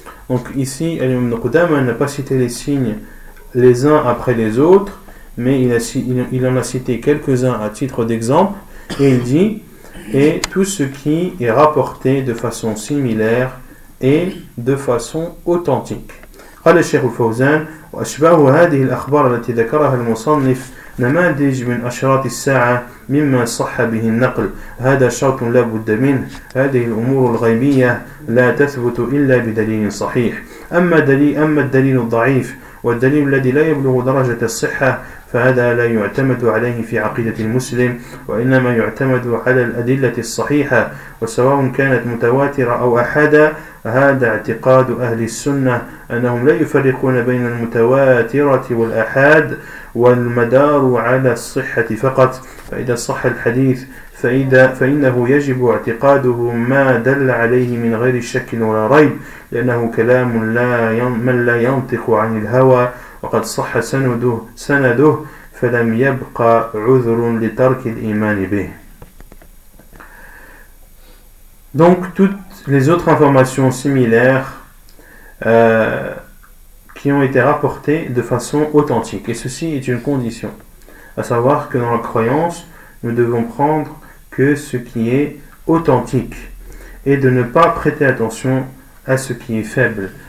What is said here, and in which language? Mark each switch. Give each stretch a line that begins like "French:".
French: Donc ici, Al-Imam ibn Qudama n'a pas cité les signes les uns après les autres, mais il en a cité quelques-uns à titre d'exemple, et il dit: et tout ce qui est rapporté de façon similaire et de façon authentique.
Arabic: قال الشيخ الفوزان: وأشباه هذه الأخبار التي ذكرها المصنف نماذج من أشراط الساعة مما صح به النقل. هذا شرط لا بد منه. هذه الأمور الغيبية لا تثبت إلا بدليل صحيح. أما الدليل الضعيف والدليل الذي لا يبلغ درجة الصحة فهذا لا يعتمد عليه في عقيدة المسلم، وإنما يعتمد على الأدلة الصحيحة، وسواء كانت متواترة أو أحادا، هذا اعتقاد أهل السنة أنهم لا يفرقون بين المتواترة والأحاد، والمدار على الصحة فقط، فإذا صح الحديث فإنه يجب اعتقاده ما دل عليه من غير شك ولا ريب، لأنه كلام لا من لا ينطق عن الهوى، وقد صح سنده فلم يبقى عذر لترك الإيمان به.
French: Donc toutes les autres informations similaires qui ont été rapportées de façon authentique, et ceci est une condition, à savoir que dans la croyance, nous devons prendre que ce qui est authentique et de ne pas prêter attention à ce qui est faible.